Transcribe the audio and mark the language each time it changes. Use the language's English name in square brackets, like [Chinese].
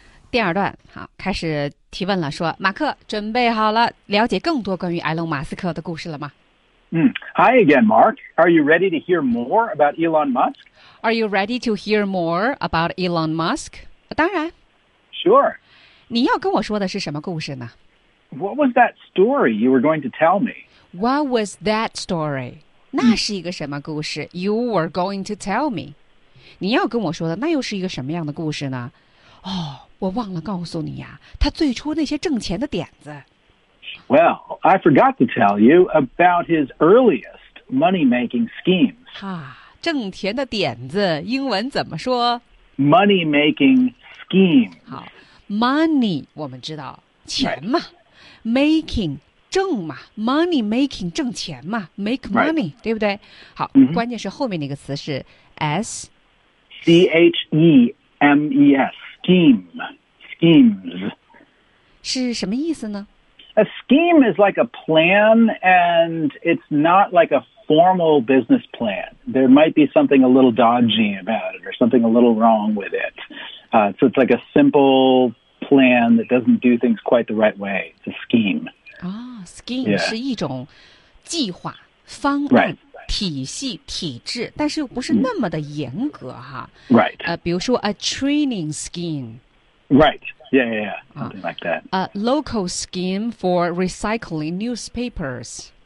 [Chinese] 第二段，好，开始提问了，说，马克，准备好了，了解更多关于埃隆·马斯克的故事了吗？ [English] Hi again, Mark. Are you ready to hear more about Elon Musk? Are you ready to hear more about Elon Musk? [Chinese] 当然。 [English] Sure. [Chinese] 你要跟我说的是什么故事呢? [English] What was that story you were going to tell me? What was that story? [Chinese] 那是一个什么故事? [English] You were going to tell me. [Chinese] 你要跟我说的那又是一个什么样的故事呢?哦，我忘了告诉你呀，他最初那些挣钱的点子。 [English] Well, I forgot to tell you about his earliest money-making schemes. [Chinese] 哈，挣钱的点子，英文怎么说? [English] Money-making schemes. [Chinese] 好, money, 我们知道,钱嘛。Making, 挣嘛。 Money-making, 挣钱嘛。 [English] Make money, [Chinese] 对不对? 好,关键是后面那个词是 S. [English] S-C-H-E-M-E-S, scheme, schemes. [Chinese] 是什么意思呢? [English] A scheme is like a plan, and it's not like a formal business plan. There might be something a little dodgy about it or something a little wrong with it. So it's like a simple plan that doesn't do things quite the right way. It's a scheme. Oh, scheme yeah. [Chinese] 是一种计划、方案、 [English] right. [Chinese] 体系、体制，但是又不是那么的严格哈。 [English] Right. [Chinese] 比如说 [English] a training scheme. Right. Yeah, something like that. A local scheme for recycling newspapers.